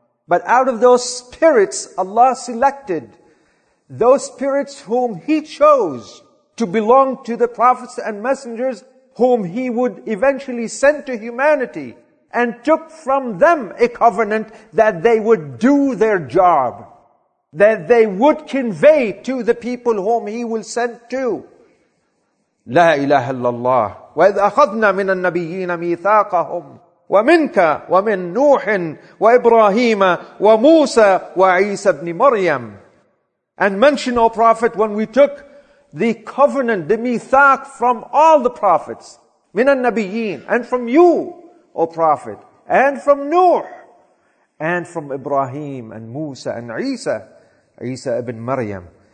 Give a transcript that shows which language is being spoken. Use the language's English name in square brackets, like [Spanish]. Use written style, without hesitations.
[English] But out of those spirits, Allah selected those spirits whom He chose to belong to the prophets and messengers whom He would eventually send to humanity, and took from them a covenant that they would do their job, that they would convey to the people whom He will send to. [Arabic] لا إله إلا الله وإذ أخذنا من النبيين ميثاقهم ومنك ومن نوح وإبراهيم وموسى وعيسى بن مريم. [English] And mention, O Prophet, when we took the covenant, the mithaq from all the prophets, [Arabic] من النبيين, [English] and from you, O Prophet, and from Nuh, and from Ibrahim, and Musa, and Isa, Isa ibn Maryam.